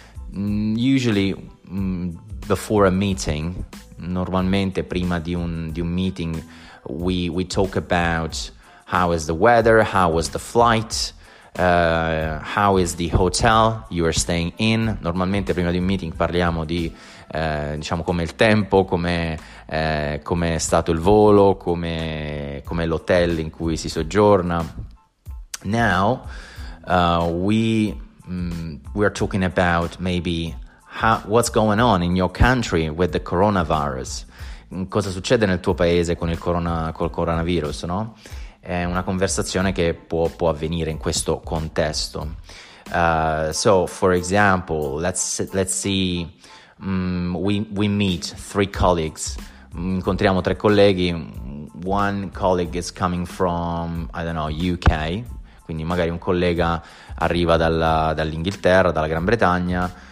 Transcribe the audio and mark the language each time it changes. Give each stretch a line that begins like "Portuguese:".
English: Usually, before a meeting,
Italian: normalmente prima di un meeting,
English: we talk about how is the weather, how was the flight, how is the hotel you are staying in.
Italian: Normalmente prima di un meeting parliamo di diciamo come il tempo, come è stato il volo, come l'hotel in cui si soggiorna.
English: Now we're talking about maybe what's going on in your country with the coronavirus.
Italian: Cosa succede nel tuo paese con col coronavirus, no? È una conversazione che può avvenire in questo contesto.
English: So for example, let's see, we meet three colleagues.
Italian: Incontriamo tre colleghi.
English: One colleague is coming from, I don't know, UK.
Italian: Quindi magari un collega arriva dall'Inghilterra, dalla Gran Bretagna.